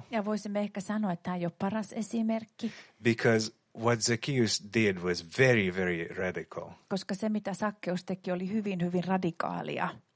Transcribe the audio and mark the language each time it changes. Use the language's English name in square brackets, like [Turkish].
[Finnish] Ja voisimme ehkä sanoa, että tämä ei ole paras esimerkki. [English] Because what Zacchaeus did was very, very radical. [Finnish] Koska se, mitä Zacchaeus teki, oli hyvin, hyvin radikaalia.